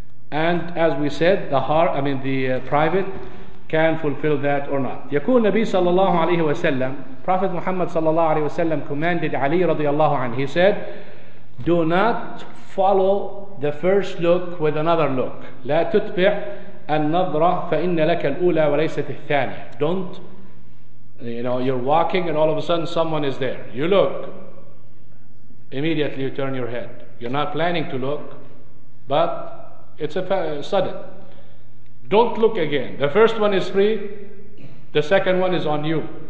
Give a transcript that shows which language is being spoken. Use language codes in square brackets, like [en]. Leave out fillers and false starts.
[en] And as we said, the private can fulfill that or not. [ar] يقول نبي [en] صلى الله عليه وسلم, Prophet Muhammad صلى الله عليه وسلم commanded Ali رضي الله عنه, he said, do not follow the first look with another look. [ar] لا تتبع النظرة فإن لك الأولى وليست الثانية. [en] Don't, you know, you're walking and all of a sudden someone is there. You look, immediately you turn your head. You're not planning to look, but it's a sudden. Don't look again. The first one is free. The second one is on you.